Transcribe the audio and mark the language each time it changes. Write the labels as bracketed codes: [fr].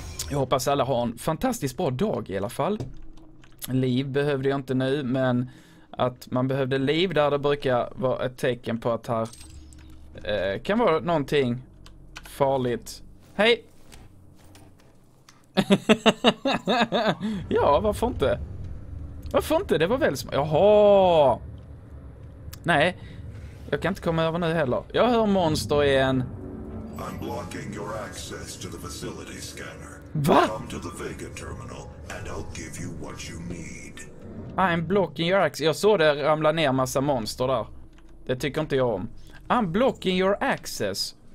[sv] Jag hoppas alla har en fantastiskt bra dag i alla fall. Liv behövde jag inte nu, men att man behövde liv där, det brukar vara ett tecken på att här kan vara någonting farligt. Hej! Ja, varför inte? Varför inte? Det var väl smart. Jaha! Nej, jag kan inte komma över nu heller. Jag hör monster igen. [en] I'm blocking your access to the facility scanner. [sv] Va? [en] Come to the Vega terminal and I'll give you what you need. I'm blocking your access. [sv] Jag såg det ramla ner massa monster där. Det tycker inte jag om. [en] I'm blocking your access.